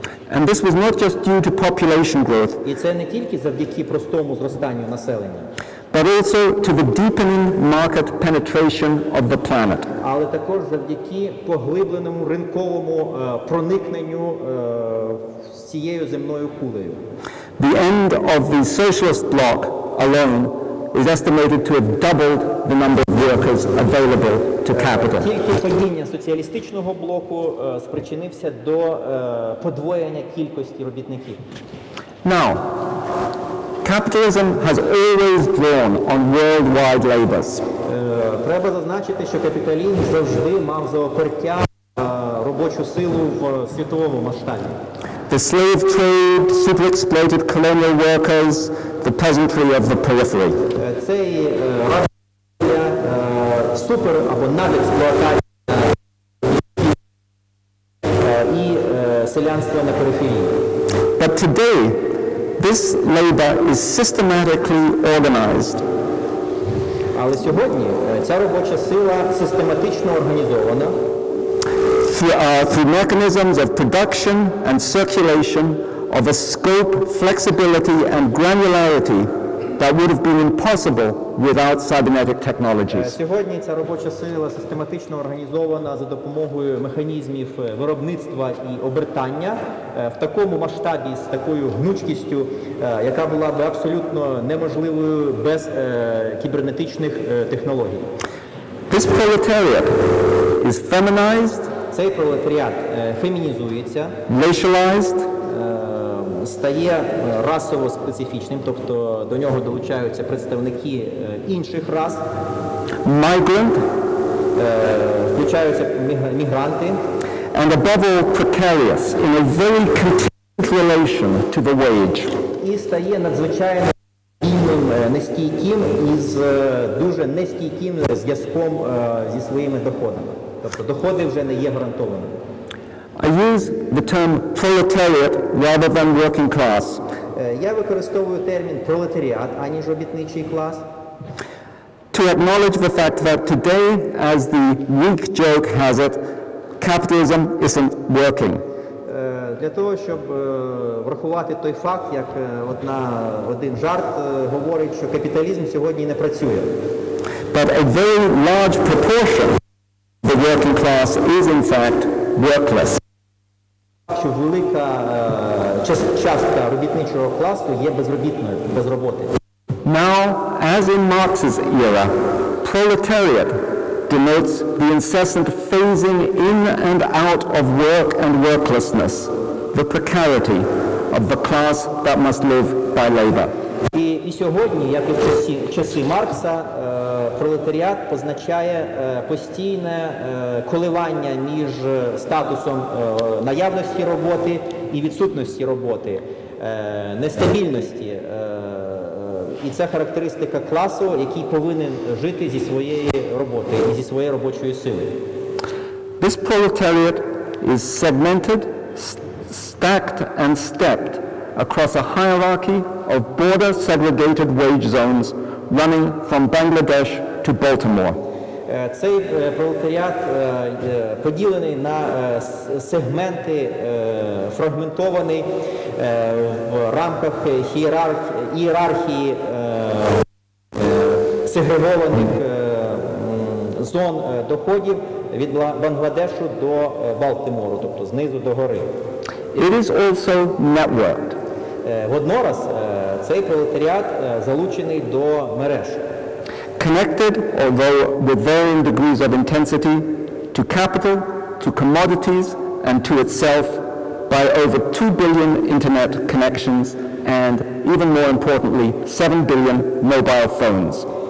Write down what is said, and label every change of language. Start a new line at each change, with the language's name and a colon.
English: And this was not just due to population growth.
Ukrainian: І це не тільки завдяки простому зростанню населення.
English: But also to the deepening market penetration of the planet.
Ukrainian: Але також завдяки поглибленому ринковому проникненню цією земною кулею.
English: The end of the socialist bloc alone is estimated to have doubled the number of workers available to capital.
Ukrainian: Тільки падіння соціалістичного блоку спричинився до подвоєння кількості робітників.
English: Now, capitalism has always drawn on worldwide labors.
Ukrainian: Треба зазначити, що капіталізм завжди мав за опертя робочу силу в світовому масштабі.
English: The slave trade, super-exploited colonial workers, the peasantry of the periphery.
Ukrainian: Цей рабство, супер або надексплуатація і селянство на периферії.
English: But today, this labor is systematically organized.
Ukrainian: Але сьогодні ця робоча сила систематично організована.
English: Through mechanisms of production and circulation of a scope, flexibility, and granularity that would have been impossible without cybernetic technologies.
Ukrainian: Сьогодні ця робоча сила систематично організована за допомогою механізмів виробництва і обертання в такому масштабі, з такою гнучкістю, яка була б абсолютно неможливою без кібернетичних технологій.
English: This proletariat is feminized.
Ukrainian: Цей пролетаріат фемінізується,
English: racialized,
Ukrainian: стає расово специфічним, тобто до нього долучаються представники інших рас,
English: migrant,
Ukrainian: включаються мігранти,
English: and above all precarious, in a very contingent relation to the wage.
Ukrainian: І стає надзвичайно вільним, нестійким із дуже нестійким зв'язком зі своїми доходами. Тобто доходи вже не є гарантованими.
English: I use the term proletariat rather than working class.
Ukrainian: Я використовую термін пролетаріат, аніж робітничий клас.
English: To acknowledge the fact that today, as the weak joke has it, capitalism isn't working.
Ukrainian: для того, щоб врахувати той факт, як один жарт говорить, що капіталізм сьогодні не працює.
English: But a very large proportion of the working class is in fact workless.
Ukrainian: Що велика частка робітничого класу є безробітною, без роботи.
English: Now, as in Marx's era, proletariat denotes the incessant phasing in and out of work and worklessness, the precarity of the class that must live by labor.
Ukrainian: І сьогодні, як і в часи Маркса, пролетаріат позначає постійне коливання між статусом наявності роботи і відсутності роботи, нестабільності. І це характеристика класу, який повинен жити зі своєї роботи і зі своєї робочої сили.
English: This proletariat is segmented, stacked and stepped across a hierarchy of border segregated wage zones running from Bangladesh to Baltimore.
Ukrainian: Цей пролетаріат поділений на сегменти, фрагментований в рамках ієрархії сегрегованих зон доходів від Бангладешу до Балтимору, тобто знизу до гори.
English: It is also networked.
Ukrainian: Воднораз цей пролетаріат залучений до мереж.
English: Connected, although with varying degrees of intensity, to capital, to commodities, and to itself by over 2 billion internet connections and, even more importantly, 7 billion mobile phones.